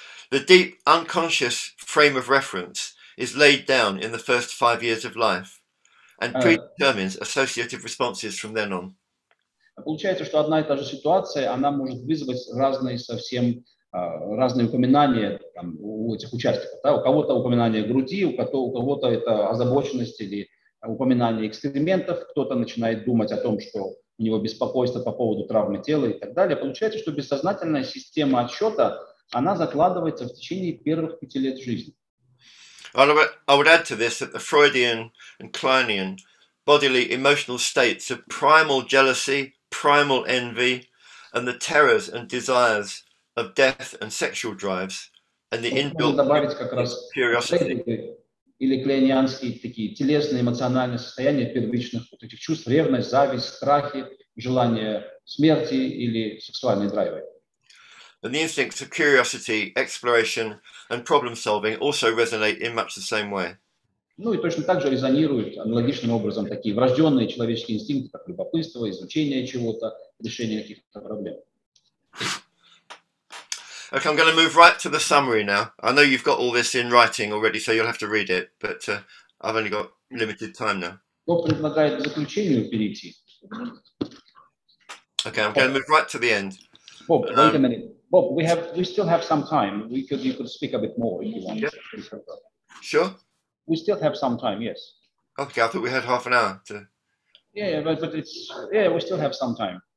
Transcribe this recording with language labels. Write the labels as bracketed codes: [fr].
[en] The deep unconscious frame of reference is laid down in the first 5 years of life and predetermines associative responses from then on. [ru] Получается, что одна и та же ситуация, она может вызвать разные совсем, разные упоминания там, у этих участников. Да? У кого-то упоминание груди, у кого-то это озабоченность или упоминание экскрементов, кто-то начинает думать о том, что у него беспокойство по поводу травмы тела и так далее. Получается, что бессознательная система отсчета, она закладывается в течение первых 5 лет жизни. [en] I would add to this that the Freudian and Kleinian bodily emotional states of primal jealousy, primal envy, and the terrors and desires of death and sexual drives, and the inbuilt curiosity. [ru] Или клейнианские такие телесные, эмоциональные состояния первичных вот этих чувств, ревность, зависть, страхи, желание смерти или сексуальные драйвы. [en] And the instincts of curiosity, exploration, and problem-solving also resonate in much the same way. [ru] Ну и точно так же резонируют аналогичным образом такие врожденные человеческие инстинкты, как любопытство, изучение чего-то, решение каких-то проблем. [en] Okay, I'm going to move right to the summary now. I know you've got all this in writing already, so you'll have to read it, but I've only got limited time now. [ru] Кто предлагает заключение перейти? [en] Okay, I'm going to move right to the end. Bob, wait a minute. Bob, we still have some time. You could speak a bit more if you want. Yep. Sure. We still have some time. Yes. Okay, I thought we had half an hour to. Yeah, we still have some time.